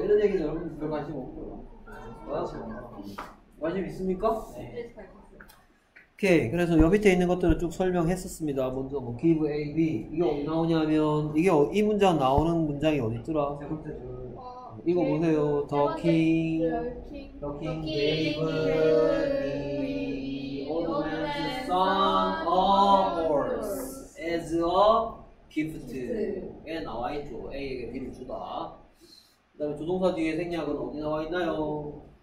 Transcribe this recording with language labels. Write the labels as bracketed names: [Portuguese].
[Korean] 이런 얘기는 여러분 별 관심 없고요. 관심 있습니까? 네. 오케이. 그래서 여기 밑에 있는 것들을 쭉 설명했었습니다. 먼저 뭐 [English] give a b [Korean] 이게 어디 나오냐면 이게 이 문장 나오는 문장이 어디 있더라? 이거 [English] king, 보세요. The king, the king gave the old man's son a horse as a gift [Korean] 에 나와 있죠. A에게 B를 주다. 그다음에 조동사 뒤에 생략은 어디 나와 있나요?